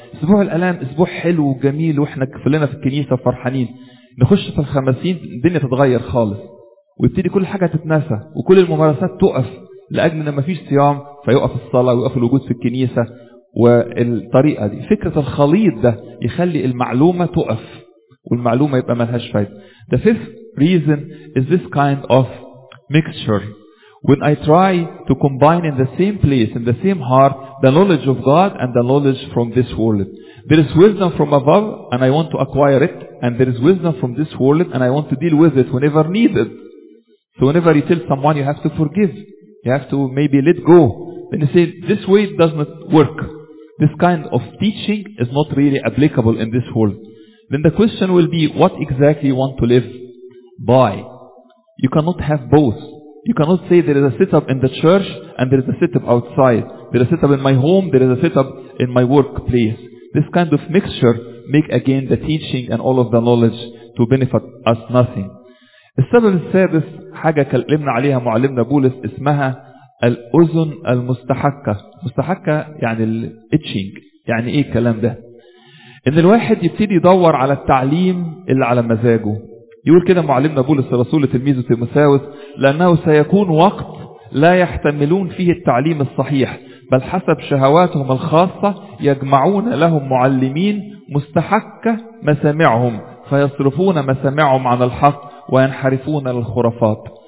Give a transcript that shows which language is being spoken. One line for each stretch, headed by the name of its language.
Arabic: أسبوع الألام أسبوع حلو وجميل وإحنا كفلنا في الكنيسة فرحانين، نخش في الخمسين الدنيا تتغير خالص ويبتدي كل حاجة تتنسى وكل الممارسات تقف لأجل أن ما فيش صيام، فيوقف الصلاة ويوقف الوجود في الكنيسة. والطريقة دي فكرة الخليط ده يخلي المعلومة تقف والمعلومة يبقى ملهاش فايدة.
English: The fifth reason is this kind of mixture. When I try to combine in the same place, in the same heart, the knowledge of God and the knowledge from this world. There is wisdom from above and I want to acquire it, and there is wisdom from this world and I want to deal with it whenever needed. So whenever you tell someone you have to forgive, you have to maybe let go, then you say this way does not work. This kind of teaching is not really applicable in this world. Then the question will be, what exactly you want to live by? You cannot have both. You cannot say there is a setup in the church and there is a setup outside. There is a setup in my home, there is a setup in my workplace. This kind of mixture make again the teaching and all of the knowledge to benefit us nothing.
Arabic: السبب السادس حاجة كلمنا عليها معلمنا بولس اسمها الأذن المستحكة. مستحكة يعني الإتشينج. يعني إيه الكلام ده؟ إن الواحد يبتدي يدور على التعليم اللي على مزاجه. يقول كده معلمنا بولس الرسول لتلميذ تيموثاوس، لأنه سيكون وقت لا يحتملون فيه التعليم الصحيح، بل حسب شهواتهم الخاصة يجمعون لهم معلمين مستحكة مسامعهم، فيصرفون مسامعهم عن الحق وينحرفون للخرافات.